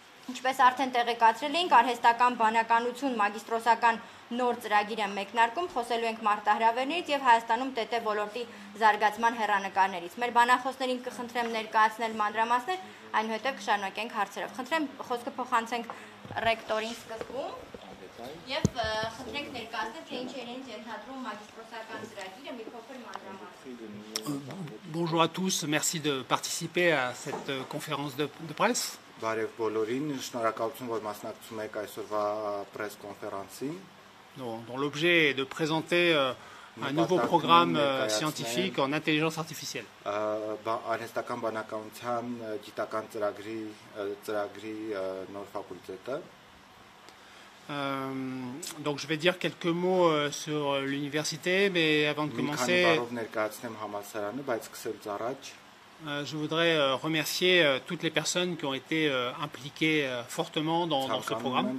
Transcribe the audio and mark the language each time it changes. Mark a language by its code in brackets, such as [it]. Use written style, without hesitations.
[hy] Ինչպես արդեն տեղեկացրել էինք, արհեստական բանականություն մագիստրոսական նոր ծրագիր է մեկնարկում, խոսելու ենք մարտահրավերներից և Հայաստանում ՏՏ ոլորտի զարգացման հեռանկարներից։ Մեր բանախոսներին կխնդրեմ ներկայացնել մանրամասներ, այնուհետև կշարունակենք հարցերով։ Խնդրեմ, խոսքը փոխանցենք ռեկտորին սկզբում։ Եվ խնդրենք ներկայացնել, թե ինչ երենց ենթադրում մագիստրոսական ծրագիրը մի փոքր մանրամասն։ [fr] Bonjour à tous, merci de participer à cette conférence de presse. [hy] Բարև բոլորին, շնորհակալություն, որ մասնակցում եք այսօրվա [en] press conference-ին. [fr] Dont l'objet est de présenter un nouveau programme scientifique en intelligence artificielle. [hy] Արհեստական բանականության գիտական ծրագրի նոր ֆակուլտետը. [fr] Donc je vais dire quelques mots sur l'université, mais avant de commencer. [hy] Բարև ներկայացնեմ համալսարանը, բայց սկսելուց առաջ. [fr] Je voudrais remercier toutes les personnes qui ont été impliquées fortement dans ce programme.